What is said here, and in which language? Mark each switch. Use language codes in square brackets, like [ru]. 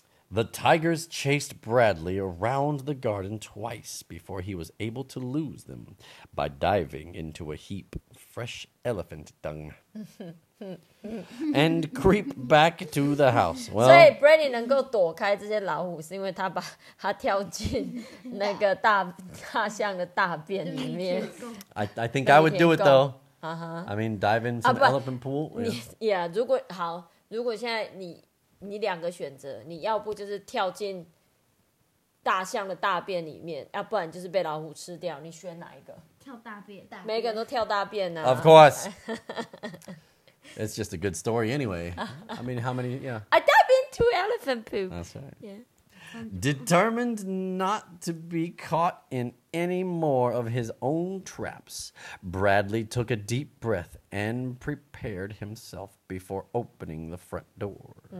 [en] The tigers chased Bradley around the garden twice before he was able to lose them by diving into a heap of fresh elephant dung and creep back to the house. Well, [zh] so Bradley 能够躲开这些老虎是因为他把他跳进那个大大象的大便里面。 [en] I think I would do it though. I mean, dive into an elephant pool. [zh] Yeah, 如果好，如果现在你。你两个选择，你要不就是跳进大象的大便里面，要不然就是被老虎吃掉。你选哪一个？跳大便，大便每个人都跳大便啊。 [en] Of course, it's just a good story anyway. I mean, how many? Yeah, I dive into elephant poop. That's right. Yeah. Determined not to be caught in any more of his own traps, Bradley took a deep breath and prepared himself before opening the front door.